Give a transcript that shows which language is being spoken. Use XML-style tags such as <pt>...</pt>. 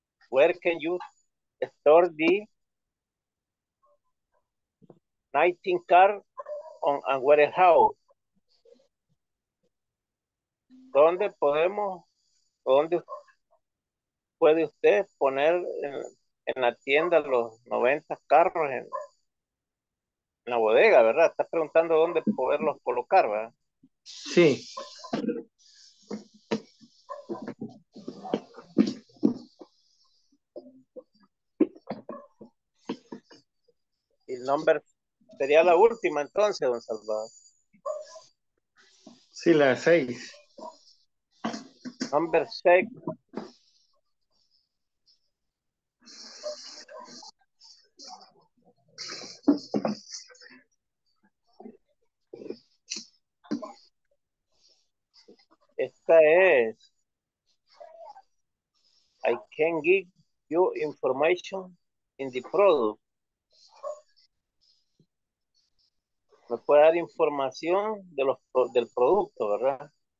<en>Where can you store the 19 car on a warehouse?</en> <es>¿Dónde podemos, dónde puede usted poner en la tienda los 90 carros en la bodega, ¿verdad? Está preguntando dónde poderlos colocar, ¿verdad? Sí. El nombre sería la última entonces, don Salvador. Sí, la seis.</es> <en>Number six.</en> <es>Esta es.</es> <en>I can give you information in the product.</en> <es>Me puede dar información de los del producto, ¿verdad?</es>